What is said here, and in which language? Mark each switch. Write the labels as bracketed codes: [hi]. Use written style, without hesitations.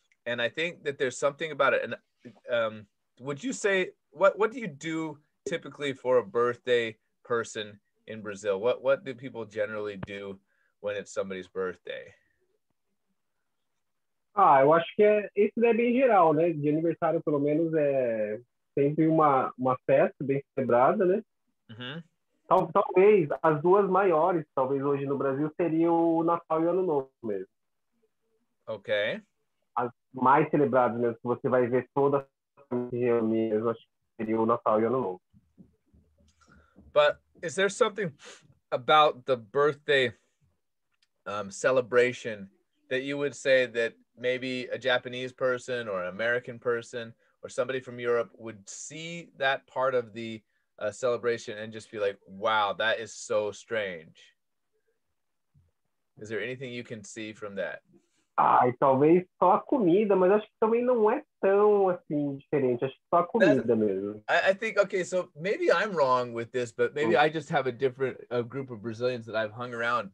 [en] And I think that there's something about it. And would you say, what do you do typically for a birthday person in Brazil? What do people generally do when it's somebody's birthday? [pt] Ah, eu acho que isso é bem geral, né? De aniversário, pelo menos, é sempre uma festa bem celebrada, né? Uhum. Talvez as duas maiores, talvez hoje no Brasil, seriam o Natal e o Ano Novo mesmo. Ok. As mais celebradas mesmo, que você vai ver toda a família reunida, eu acho que seria o Natal e o Ano Novo. [en] But is there something about the birthday celebration that you would say that maybe a Japanese person or an American person or somebody from Europe would see that part of the a celebration and just be like, wow, that is so strange. Is there anything you can see from that? [pt] Ai, talvez só a comida, mas acho que também não é tão assim diferente. Acho que só a comida That's, mesmo. [en] I think, okay, so maybe I'm wrong with this, but maybe I just have a different a group of Brazilians that I've hung around.